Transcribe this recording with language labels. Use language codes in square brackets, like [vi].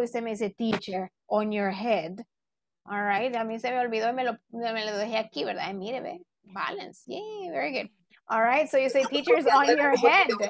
[es] Y usted me dice, teacher, [en] on your head. All right, [es] a mí se me olvidó y me lo dejé aquí, ¿verdad? Y mire, ve, [en] balance. Yay, very good. All right, so you say teacher's on your head.